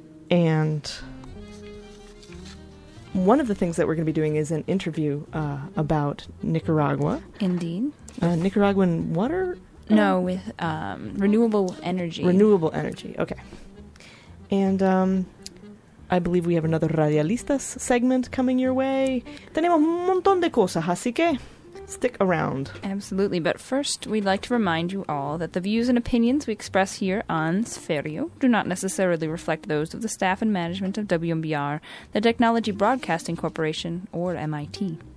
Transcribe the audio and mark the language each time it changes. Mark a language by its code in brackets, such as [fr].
[en] And one of the things that we're going to be doing is an interview about Nicaragua. Indeed. Nicaraguan water? No, with renewable energy. Renewable energy, okay. And I believe we have another Radialistas segment coming your way. [es] Tenemos un montón de cosas, así que [en] stick around. Absolutely. But first, we'd like to remind you all that the views and opinions we express here on Sferio do not necessarily reflect those of the staff and management of WMBR, the Technology Broadcasting Corporation, or MIT.